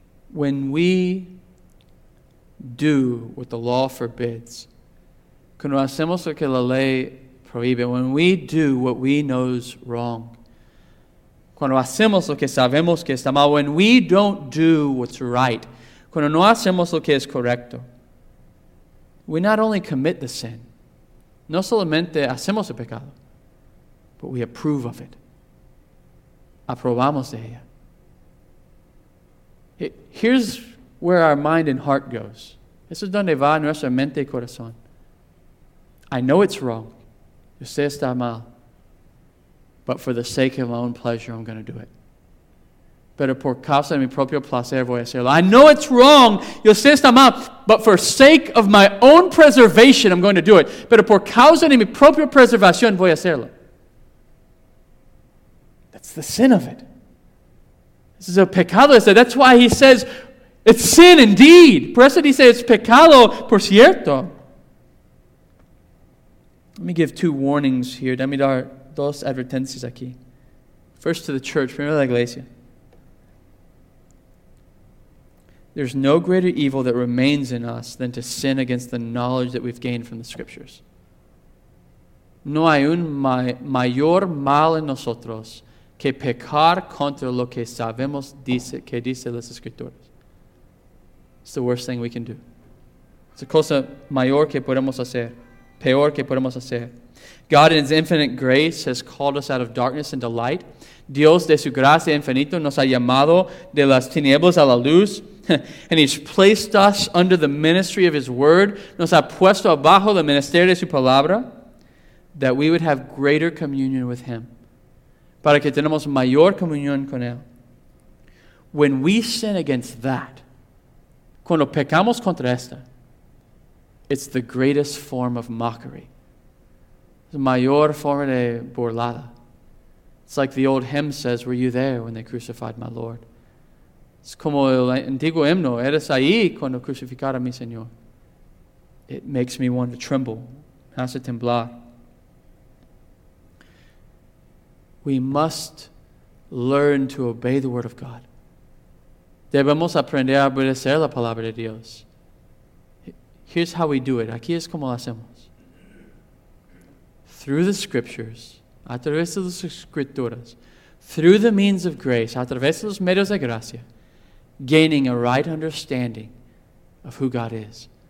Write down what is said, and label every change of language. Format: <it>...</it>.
<en>When we do what the law forbids,</en> <es>cuando hacemos lo que la ley prohíbe,</es> <en>when we do what we know's wrong,</en> <es>cuando hacemos lo que sabemos que está mal,</es> <en>when we don't do what's right,</en> <es>cuando no hacemos lo que es correcto,</es> <en>we not only commit the sin,</en> <es>no solamente hacemos el pecado,</es> <en>but we approve of it.</en> <es>Aprobamos de ella.</es> <en>Here's where our mind and heart goes.</en> <es>Eso es donde va nuestra mente y corazón.</es> <en>I know it's wrong.</en> <es>Yo sé está mal.</es> <en>But for the sake of my own pleasure, I'm going to do it.</en> <es>Pero por causa de mi propio placer, voy a hacerlo.</es> <en>I know it's wrong.</en> <es>Yo sé está mal.</es> <en>but for sake of my own preservation, I'm going to do it.</en> <es>Pero por causa de mi propia preservación, voy a hacerlo.</es> <en>That's the sin of it. This is a pecado. That's why he says, it's sin indeed.</en> <es>Por eso dice,</es> <en>it's pecado, por cierto. Let me give two warnings here. Let me</en> <es>dar dos advertencias aquí.</es> <en>First to the church,</en> <es>primero la iglesia.</es> <en>There's no greater evil that remains in us than to sin against the knowledge that we've gained from the Scriptures.</en> <es>No hay un mayor mal en nosotros que pecar contra lo que sabemos dice, que dice las Escrituras.</es> <en>It's the worst thing we can do.</en> <es>Es la cosa mayor que podemos hacer, peor que podemos hacer.</es> <en>God in His infinite grace has called us out of darkness into light.</en> <es>Dios de su gracia infinito nos ha llamado de las tinieblas a la luz.</es> <en>And He's placed us under the ministry of His word.</en> <es>Nos ha puesto abajo el ministerio de su palabra.</es> <en>That we would have greater communion with Him.</en> <es>Para que tenemos mayor comunión con Él.</es> <en>When we sin against that,</en> <es>cuando pecamos contra esta,</es> <en>it's the greatest form of mockery.</en> <es>It's the mayor forma de burlada.</es> <en>It's like the old hymn says, were you there when they crucified my Lord?</en> <es>It's como el antiguo himno, eres ahí cuando crucificara mi Señor.</es> <en>It makes me want to tremble,</en> <es>hace temblar.</es> <en>We must learn to obey the word of God.</en> <es>Debemos aprender a obedecer la palabra de Dios.</es> <en>Here's how we do it.</en> <es>Aquí es como lo hacemos.</es> <en>Through the scriptures,</en> <es>a través de las escrituras,</es> <en>through the means of grace,</en> <es>a través de los medios de gracia,</es> <en>gaining a right understanding of who God is.</en>